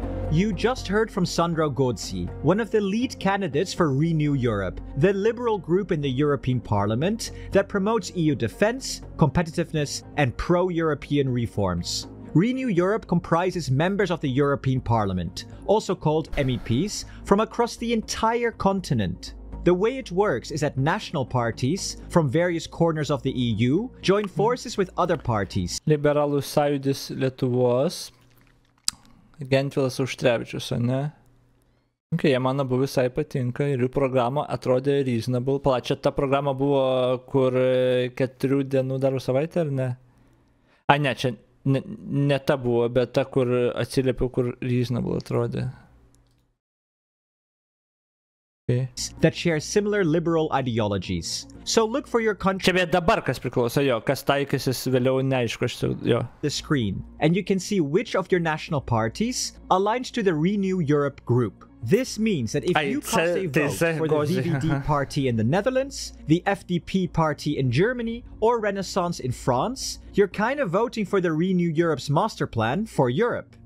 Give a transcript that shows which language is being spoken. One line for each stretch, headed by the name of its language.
English: You just heard from Sandro Gozzi, one of the lead candidates for Renew Europe, the liberal group in the European Parliament that promotes EU defense, competitiveness, and pro-European reforms. Renew Europe comprises members of the European Parliament, also called MEPs, from across the entire continent. The way it works is that national parties from various corners of the EU join forces with other parties.
Lithuanian: Liberalų sąjūdis Lietuvos. Gentvilas Auštrevičius, o ne? Okay, jie man abu visai patinka ir jų programa atrodė reasonable. Plačia, ta programa buvo kur 4 dienų darbo savaitę, ar ne? A, ne, čia ne ta buvo, bet ta, kur atsiliepiau, kur reasonable atrodė.
English: That share similar liberal ideologies. So look for your country.
Lithuanian: Čia dabar kas priklauso, jo, kas taikysis vėliau, neaišku, aš jo.
English: The screen. And you can see which of your national parties aligns to the Renew Europe group. This means that if you cast a vote for the VVD party in the Netherlands, the FDP party in Germany, or Renaissance in France, you're kind of voting for the Renew Europe's master plan for Europe.